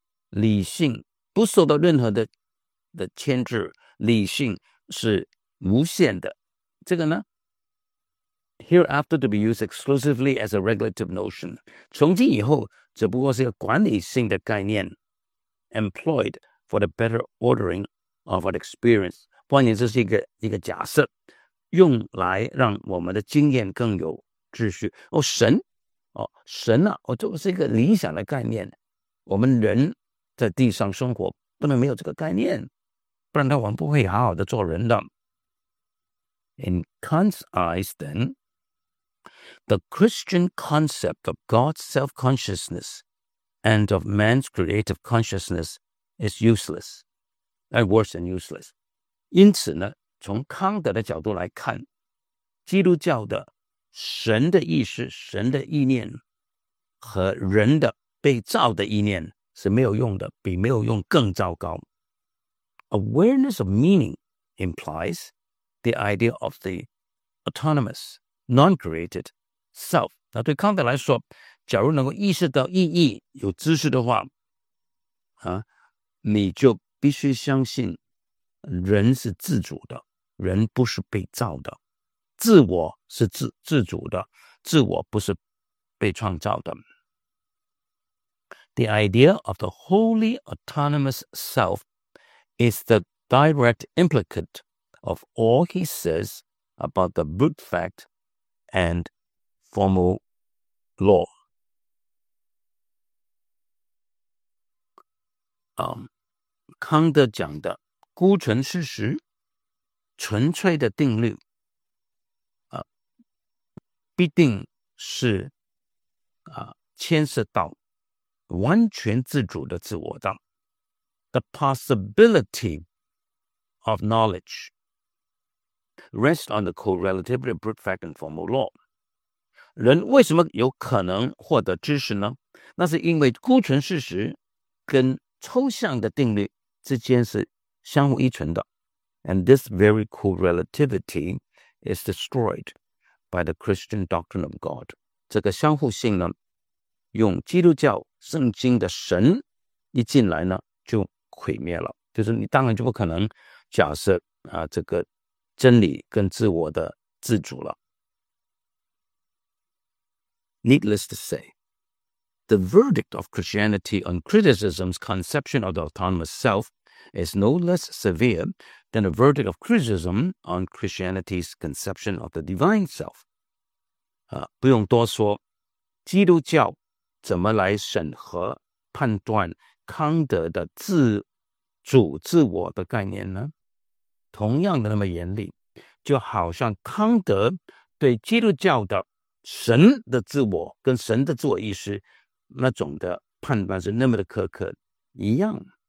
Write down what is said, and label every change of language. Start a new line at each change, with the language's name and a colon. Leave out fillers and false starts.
Chinese: 理性不受到任何 的牵制，理性是无限的。这个呢
English: ?Hereafter to be used exclusively as a regulative notion.
Chinese: 从今以后只不过是一个管理性的概念
English: ,employed for the better ordering of our experience.
Chinese: 换言之是一个假设，用来让我们的经验更有秩序。哦，神。哦，神啊，哦，这是一个理想的概念。我们人在地上生活不能没有这个概念，不然的话我们不会好好的做人的。
English: In Kant's eyes, then, the Christian concept of God's self-consciousness and of man's creative consciousness is useless, and worse than useless.
Chinese: 因此呢，从康德的角度来看，基督教的神的意识、神的意念和人的被造的意念是没有用的，比没有用更糟糕。
English: Awareness of meaning implies the idea of the autonomous, non-created self.
Chinese: 那对康德来说，假如能够意识到意义、有知识的话，你就必须相信人是自主的，人不是被造的。自我是 自主的，自我不是被创造的。
English: The idea of the wholly autonomous self is the direct implicate of all he says about the brute fact and formal law.
Chinese: 康德讲的孤存事实，纯粹的定律必定是牵涉到完全自主的自我的。
English: The possibility of knowledge rests on the correlativity of brute fact and formal law.
Chinese: 人为什么有可能获得知识呢？那是因为孤存事实跟抽象的定律之间是相互依存的。
English: And this very correlativity is destroyed. By the Christian doctrine of God.
Chinese: 这个相互性呢，用基督教圣经的神一进来呢，就毁灭了。就是你当然就不可能假设这个真理跟自我的自主了。
English: Needless to say, the verdict of Christianity on criticism's conception of the autonomous self is no less severe than the verdict of criticism on Christianity's conception of the divine self.
Chinese: 不用多说，基督教怎么来审核判断康德的自主自我的概念呢？同样的那么严厉，就好像康德对基督教的神的自我跟神的自我意识那种的判断是那么的苛刻一样。